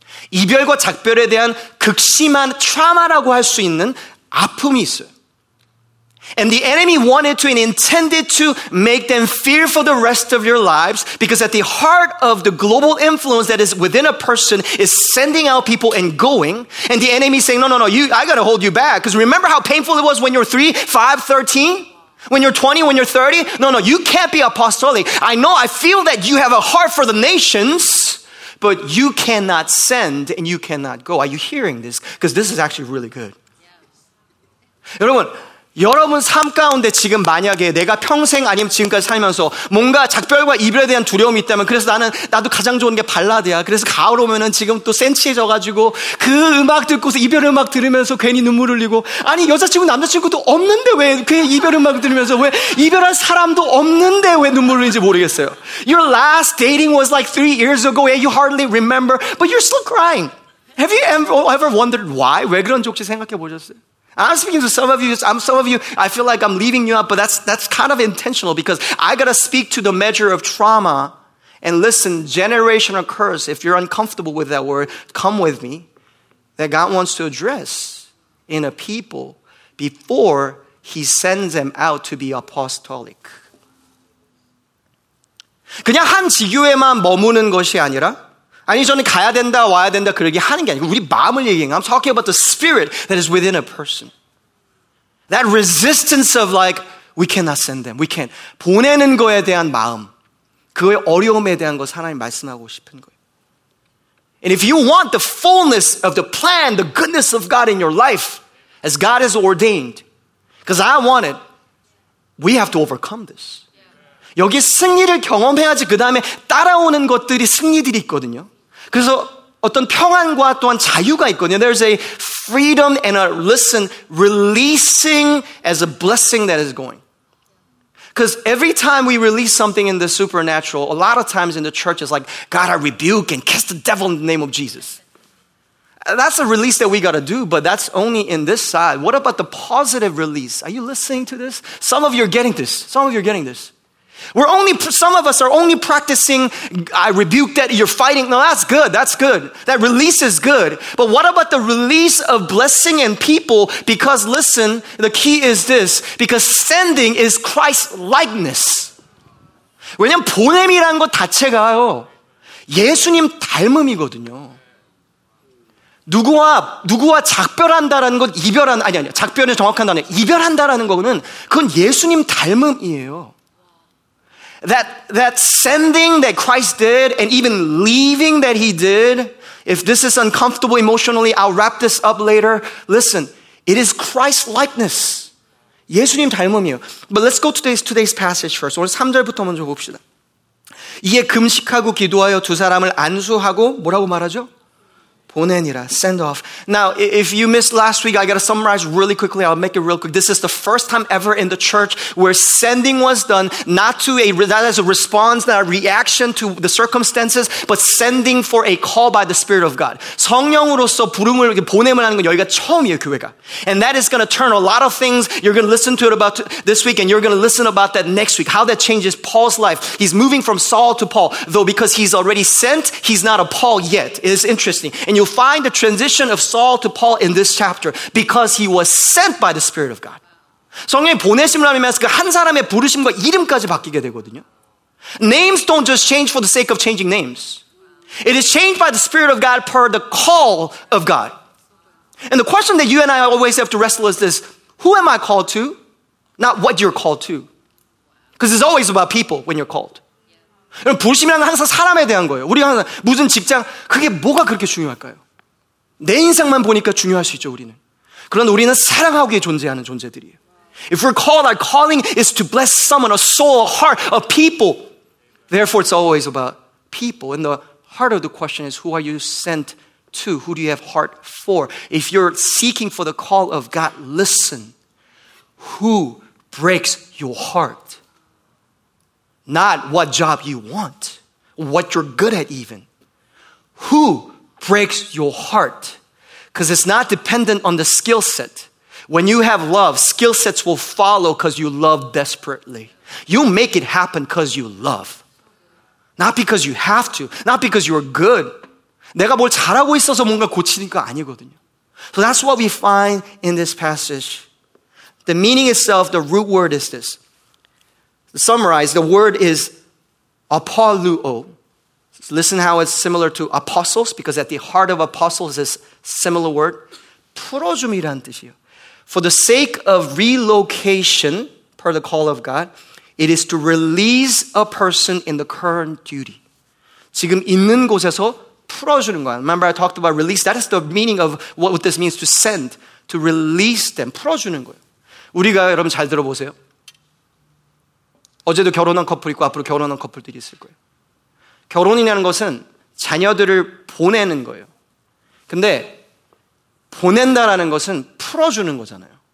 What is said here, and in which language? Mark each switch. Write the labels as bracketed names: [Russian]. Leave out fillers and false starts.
[Korean] 이별과 작별에 대한 극심한 트라우마라고 할 수 있는 아픔이 있어요. [English] And the enemy wanted to and intended to make them fear for the rest of your lives because at the heart of the global influence that is within a person is sending out people and going. And the enemy saying, no, you, I got to hold you back. Because remember how painful it was when you're 3, 5, 13? When you're 20, when you're 30? No, you can't be apostolic. I know, I feel that you have a heart for the nations, but you cannot send and you cannot go. Are you hearing this? Because this is actually really good. Yes. [Korean] 여러분, 여러분 삶 가운데 지금 만약에 내가 평생 아니면 지금까지 살면서 뭔가 작별과 이별에 대한 두려움이 있다면 그래서 나는 나도 가장 좋은 게 발라드야. 그래서 가을 오면은 지금 또 센치해져가지고 그 음악 듣고서 이별 음악 들으면서 괜히 눈물 흘리고 아니 여자친구 남자친구도 없는데 왜 그냥 이별 음악 들으면서 왜 이별한 사람도 없는데 왜 눈물 흘리는지 모르겠어요. [English] Your last dating was like 3 years ago and you hardly remember but you're still crying. Have you ever wondered why? [Korean] 왜 그런지 혹시 생각해 보셨어요? [English] I'm speaking to some of you. I feel like I'm leaving you out, but that's kind of intentional because I gotta speak to the measure of trauma. And listen, generational curse. If you're uncomfortable with that word, come with me. That God wants to address in a people before He sends them out to be apostolic. [Korean] 그냥 한 지교에만 머무는 것이 아니라. 아니 저는 가야 된다 와야 된다 그러기 하는 게 아니고 우리 마음을 얘기해요. [English] I'm talking about the spirit that is within a person. That resistance of like we cannot send them. We can't. [Korean] 보내는 거에 대한 마음. 그의 어려움에 대한 것을 하나님 말씀하고 싶은 거예요. [English] And if you want the fullness of the plan, the goodness of God in your life as God has ordained. Because I want it. We have to overcome this. [Korean] 여기 승리를 경험해야지 그 다음에 따라오는 것들이 승리들이 있거든요. 그래서 어떤 평안과 또한 자유가 있거든요. [English] There's a freedom and a listen, releasing as a blessing that is going. Because every time we release something in the supernatural, a lot of times in the church it's like, God, I rebuke and cast the devil in the name of Jesus. That's a release that we got to do, but that's only in this side. What about the positive release? Are you listening to this? Some of you are getting this. Some of us are only practicing, I rebuke that, you're fighting. No, that's good, that's good. That release is good. But what about the release of blessing and people? Because listen, the key is this. Because sending is Christ-likeness. [Korean] 왜냐면 보냄이란 것 자체가요, 예수님 닮음이거든요. 누구와 작별한다라는 건 이별한, 아니, 작별은 정확한 단어, 이별한다라는 거는 그건 예수님 닮음이에요. [English] That sending that Christ did and even leaving that he did, if this is uncomfortable emotionally, I'll wrap this up later. Listen, it is Christ-likeness. [Korean] 예수님 닮음이요. [English] But let's go to today's passage first. [Korean] 오늘 3절부터 먼저 봅시다. 이에 금식하고 기도하여 두 사람을 안수하고 뭐라고 말하죠? 보내니라, [English] send off. Now, if you missed last week, I gotta summarize really quickly. I'll make it real quick. This is the first time ever in the church where sending was done, not to a, not as a response, not a reaction to the circumstances, but sending for a call by the Spirit of God. [Korean] 성령으로서 부름을 이렇게 보냄을 하는 건 여기가 처음이에요, 교회가. [English] And that is gonna turn a lot of things. You're gonna listen to it about this week, and you're gonna listen about that next week. How that changes Paul's life. He's moving from Saul to Paul, though because he's already sent, he's not a Paul yet. It is interesting. And you'll find the transition of Saul to Paul in this chapter because he was sent by the Spirit of God. [Korean] 성령이 보내심을 하면 그 한 사람의 부르심과 이름까지 바뀌게 되거든요. [English] Names don't just change for the sake of changing names. It is changed by the Spirit of God per the call of God. And the question that you and I always have to wrestle is this, who am I called to? Not what you're called to. Because it's always about people when you're called. [Korean] 여러분, 부르심이라는 건 항상 사람에 대한 거예요. 우리가 항상 무슨 직장, 그게 뭐가 그렇게 중요할까요? 내 인상만 보니까 중요할 수 있죠, 우리는. 그런데 우리는 사랑하기에 존재하는 존재들이에요. [English] If we're called, our calling is to bless someone, a soul, a heart, a people. Therefore, it's always about people. And the heart of the question is, who are you sent to? Who do you have heart for? If you're seeking for the call of God, listen. Who breaks your heart? Not what job you want, what you're good at even. Who breaks your heart? Because it's not dependent on the skill set. When you have love, skill sets will follow because you love desperately. You make it happen because you love. Not because you have to, not because you're good. [Korean] 내가 뭘 잘하고 있어서 뭔가 고치는 거 아니거든요. [English] So that's what we find in this passage. The meaning itself, the root word is this. To summarize, the word is apolluo. Listen how it's similar to apostles, because at the heart of apostles is a similar word. [Korean] 풀어줌이란 뜻이에요. [English] For the sake of relocation, per the call of God, it is to release a person in the current duty. [Korean] 지금 있는 곳에서 풀어주는 거야. [English] Remember I talked about release? That is the meaning of what this means, to send, to release them. [Korean] 풀어주는 거예요. 우리가 여러분 잘 들어보세요. 어제도 결혼한 커플 있고 앞으로 결혼한 커플들이 있을 거예요. 결혼이라는 것은 자녀들을 보내는 거예요. 근데 보낸다라는 것은 풀어주는 거잖아요.